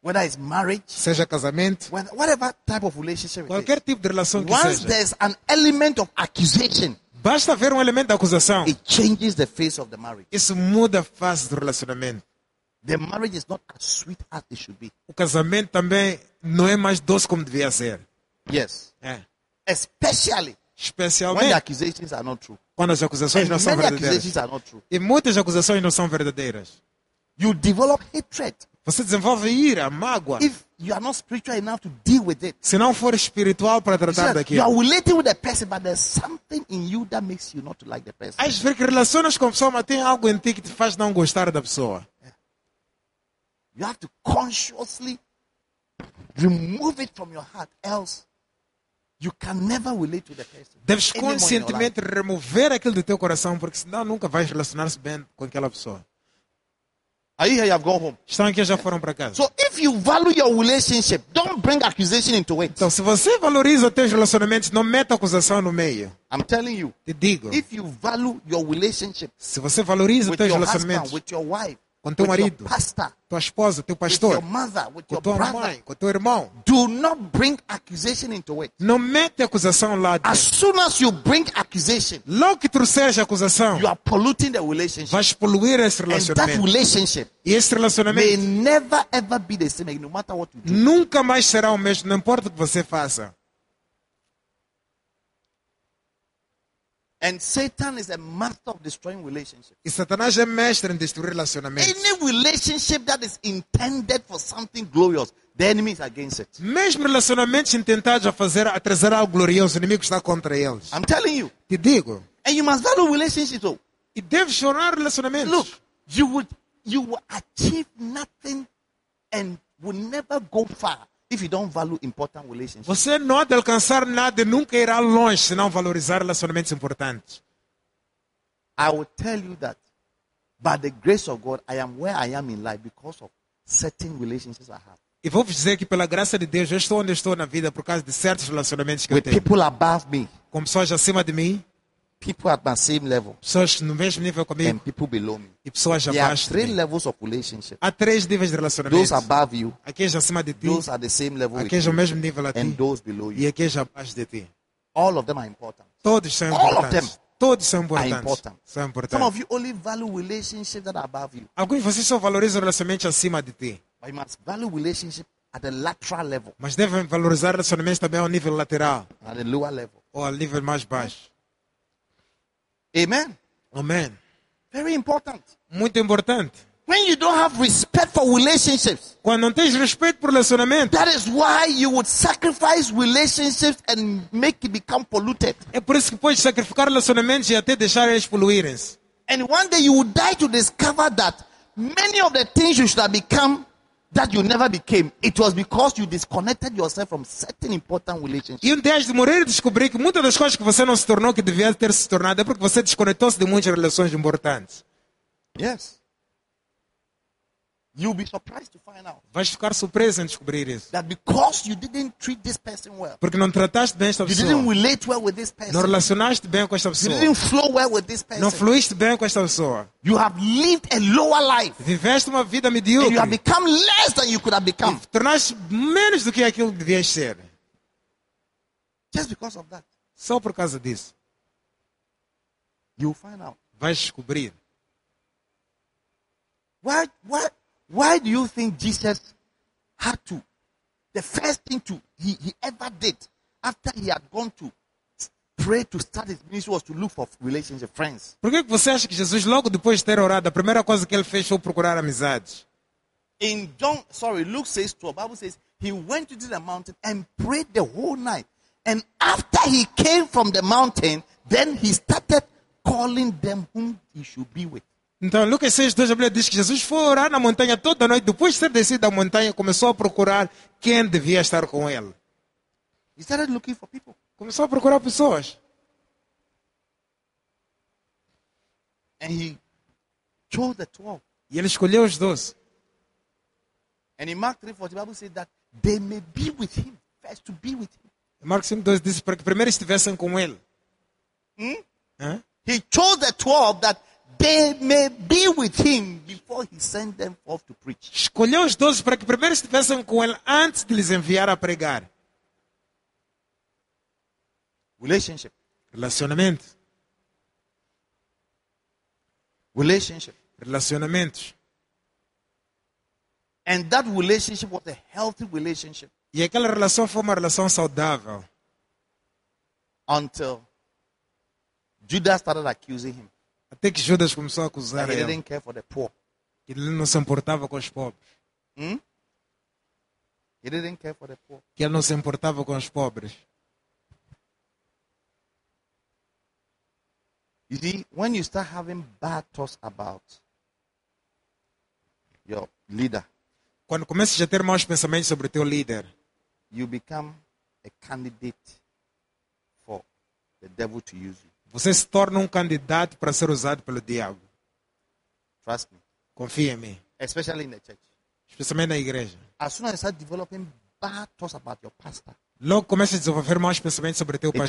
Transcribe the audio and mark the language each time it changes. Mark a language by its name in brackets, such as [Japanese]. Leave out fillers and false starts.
[English] Whether it's marriage, [Portuguese] seja casamento, [English] whatever type of relationship, [Portuguese] qualquer [English] it [Portuguese] tipo de relação [English] once [Portuguese] que seja. [English] Once there's an element of accusation, [Portuguese] basta ver elemento da acusação. [English] It changes the face of the marriage. [Portuguese] Isso muda a face do relacionamento. [English] The marriage is not as sweet as it should be. [Portuguese] O casamento também não é mais doce como devia ser. [English] Yes. [Portuguese] É. [English] especially [Portuguese] especialmente [English] when the accusations are not true. [Portuguese] Quando as acusações [English] and [Portuguese] não são verdadeiras. [English] Are not true. [Portuguese] E muitas acusações não são verdadeiras. [English] You develop hatred. [Portuguese] Você desenvolve ira, mágoa. [English] If you are not spiritual enough to deal with it. [Portuguese] Se não for espiritual para tratar [English] you [Portuguese] said, daquilo. [English] You are relating with a person, but there's something in you that makes you not to like the person. [Portuguese] Às vezes relacionas com a pessoa, mas tem algo em ti que te faz não gostar da pessoa. [English] You have to consciously remove it from your heart, else you can never relate to the person. [Portuguese] Deves conscientemente remover aquilo do teu coração, porque senão nunca vais relacionar-se bem com aquela pessoa. Aí [English] you have gone home. [Portuguese] Estão aqui, já foram para casa. [English] So if you value your relationship, don't bring accusation into it. [Portuguese] Então, se você valoriza os teus relacionamentos, não meta acusação no meio. [English] I'm telling you. [Portuguese] Te digo. [English] If you value your relationship, [Portuguese] se você valoriza os teus [English] your [Portuguese] relacionamentos, [English] husband, with your wife, [Portuguese] com teu [English] with [Portuguese] marido, [English] pastor, [Portuguese] tua esposa, teu pastor, [English] with your mother, with [Portuguese] com [English] your [Portuguese] tua [English] brother, [Portuguese] mãe, com teu irmão, [English] do not bring accusation into it. [Portuguese] Não mete acusação lá. [English] As soon as you bring accusation, [Portuguese] logo que trouxeres acusação, [English] you are polluting the relationship. [Portuguese] Vais poluir esse relacionamento. [English] And that relationship, [Portuguese] e esse relacionamento, [English] may never ever be the same, no matter what you do. [Portuguese] Nunca mais será o mesmo, não importa o que você faça. [English] And Satan is a master of destroying relationships. [Portuguese] E Satanás é mestre em destruir relacionamentos. [English] Any relationship that is intended for something glorious, the enemy is against it. [Portuguese] Mesmo relacionamentos intentados a trazer algo glorioso, o inimigo está contra eles. [English] I'm telling you. [Portuguese] Te digo. [English] And you must value relationships. Oh. [Portuguese] E deve honrar relacionamentos. [English] Look, you will achieve nothing and will never go far if you don't value important relationships. [Portuguese] Você não há de alcançar nada, nunca irá longe se não valorizar relacionamentos importantes. [English] I will tell you that by the grace of God, I am where I am in life because of certain relationships I have. [Portuguese] E vou dizer que pela graça de Deus, eu estou onde estou na vida por causa de certos relacionamentos que [English] with [Portuguese] eu tenho. [English] With people above me. [Portuguese] Com pessoas acima de mim. [English] People at my same level. [Portuguese] Pessoas no mesmo nível comigo. [English] And people below me. [Portuguese] E pessoas abaixo. [English] There are three levels of relationship. [Portuguese] Há três níveis de relacionamento. [English] Those above you. [Portuguese] Aqueles acima de ti. [English] Those are the same level. [Portuguese] Aqueles ao mesmo nível a ti. [English] And those below you. [Portuguese] E aqueles abaixo de ti. [English] All of them are important. [Portuguese] Todos são [English] all [Portuguese] importantes. [English] All of them. [Portuguese] Todos são importantes. [English] Are important. [Portuguese] São importantes. [English] Some of you only value relationships that are above you. [Portuguese] Alguns de vocês só valorizam relacionamentos acima de ti. [English] But you must value relationship at the lateral level. [Portuguese] Mas devem valorizar relacionamentos também ao nível lateral. [English] At the lower level. [Portuguese] Ou ao nível mais baixo. [English] Amen. [Portuguese] Amen. [English] Very important. [Portuguese] Muito importante. [English] When you don't have respect for relationships. [Portuguese] Quando não tens respeito por relacionamento. [English] That is why you would sacrifice relationships and make it become polluted. [Portuguese] É por isso que podes sacrificar relacionamentos e até deixar eles poluírem-se. [English] And one day you would die to discover that many of the things you should have become that you never became, it was because you disconnected yourself from certain important relationships. [Portuguese] E um dia de morrer, descobri que muitas das coisas que você não se tornou, que devia ter se tornado, é porque você desconectou-se de muitas relações importantes. [English] Yes. You'll be surprised to find out. [Portuguese] Vais ficar surpreso em descobrir isso. [English] That because you didn't treat this person well. [Portuguese] Porque não trataste bem esta pessoa. [English] You didn't relate well with this person. [Portuguese] Não relacionaste bem com esta pessoa. [English] You didn't flow well with this person. [Portuguese] Não fluíste bem com esta pessoa. [English] You have lived a lower life. [Portuguese] Viveste uma vida medíocre. [English] And you have become less than you could have become. [Portuguese] E tornaste menos do que aquilo que devias ser. [English] Just because of that. [Portuguese] Só por causa disso. [English] You'll find out. [Portuguese] Vais descobrir. [English] Why do you think Jesus had to, the first thing to he ever did after he had gone to pray to start his ministry was to look for relationship friends? [Portuguese] Por que você acha que Jesus logo depois de ter orado a primeira coisa que ele fez foi procurar amizades? [English] In John, sorry, Luke says to the Bible says he went to the mountain and prayed the whole night, and after he came from the mountain, then he started calling them whom he should be with. [Portuguese] Então, Lucas 6, 2, a Bíblia diz que Jesus foi orar na montanha toda noite. Depois de ter descido da montanha, começou a procurar quem devia estar com ele. [English] He started looking for people. [Portuguese] Começou a procurar pessoas. [English] And he chose the 12. [Portuguese] E ele escolheu os 12. [English] And in Mark 3, 4, the Bible says that they may be with him. First to be with him. [Portuguese] Mark 5, 2, diz para que primeiro estivessem com ele. [English] He chose the 12 that they may be with him before he sent them off to preach. [Portuguese] Escolheu os 12 para que primeiro estivessem com ele antes de lhes enviar a pregar. [English] Relationship. [Portuguese] Relacionamento. [English] Relationship. [Portuguese] Relacionamentos. [English] And that relationship was a healthy relationship. [Portuguese] E aquela relação foi uma relação saudável. [English] Until Judas started accusing him. [Portuguese] Até que Judas começou a acusar ele. [English] He didn't care for the poor. [Portuguese] Que ele não se importava com os pobres. [English] Hmm? He didn't care for the poor. [Portuguese] Que ele não se importava com os pobres. [English] You see, when you start having bad thoughts about your leader, [Portuguese] quando começas a ter maus pensamentos sobre teu líder, [English] you become a candidate for the devil to use you. [Portuguese] Você se torna um candidato para ser usado pelo diabo. [English] Trust me. [Portuguese] Confia em mim. [English] Especially in the church. [Portuguese] Especialmente na igreja. [English] As soon as you start developing bad thoughts about your pastor, [Portuguese] logo começa a desenvolver maus pensamentos sobre teu pastor.